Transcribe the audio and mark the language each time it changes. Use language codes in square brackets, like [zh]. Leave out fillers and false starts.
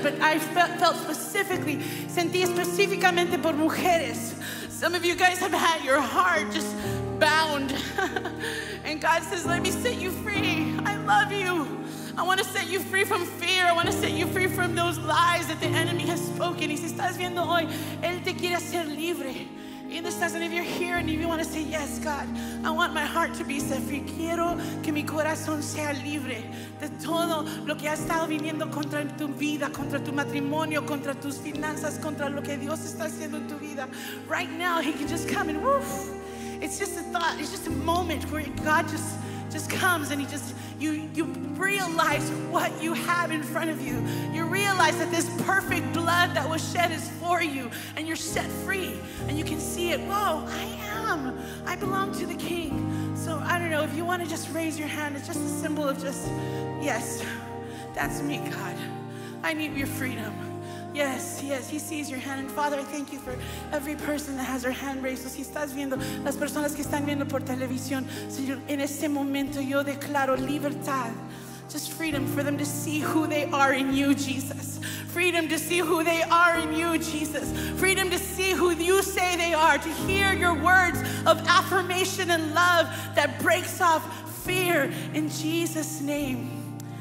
[en] But I felt specifically, [es] sentí específicamente por mujeres. [en] Some of you guys have had your heart just bound. And God says, let me set you free. I love you. I want to set you free from fear. I want to set you free from those lies that the enemy has spoken. [es] Y si estás viendo hoy, él te quiere hacer libre. [en] In this lesson, if you're here and you want to say, yes, God, I want my heart to be set free. [es] Quiero que mi corazón sea libre de todo lo que ha estado viniendo contra tu vida, contra tu matrimonio, contra tus finanzas, contra lo que Dios está haciendo en tu vida. [en] Right now, he can just come and woof. It's just a thought. It's just a moment where God just comes and he just, you realize what you have in front of you. You realize that this perfect blood that was shed is for you, and you're set free, and you can see it. Whoa, I belong to the King. So I don't know, if you want to just raise your hand, it's just a symbol of just, yes, that's me, God. I need your freedom. Yes, yes, he sees your hand. And Father, I thank you for every person that has their hand raised. [es] Si estás viendo, las personas que están viendo por televisión, Señor, en este momento yo declaro libertad. [en] Just freedom for them to see who they are in you, Jesus. Freedom to see who they are in you, Jesus. Freedom to see who you say they are, to hear your words of affirmation and love that breaks off fear in Jesus' name.